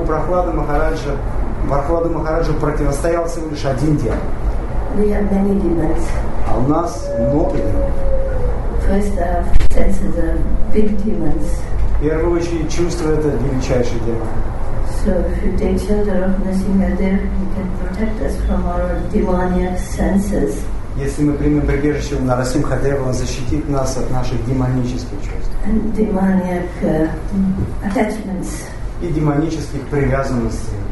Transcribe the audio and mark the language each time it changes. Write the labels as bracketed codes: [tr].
[ru] У Прохлады Махараджа, Прохлада Махараджа противостоял всего лишь один демон. [en] We have many demons. [ru] А у нас много демонов. [en] First of senses are big demons. [ru] В первую очередь чувство это величайший демон. [en] So if you take shelter of Nrsimhadev, you can protect us from our demonic senses. [ru] Если мы примем прибежище у Нрсимхадева, он защитит нас от наших демонических чувств. [en] And demonic attachments. [ru] И демонических привязанностей.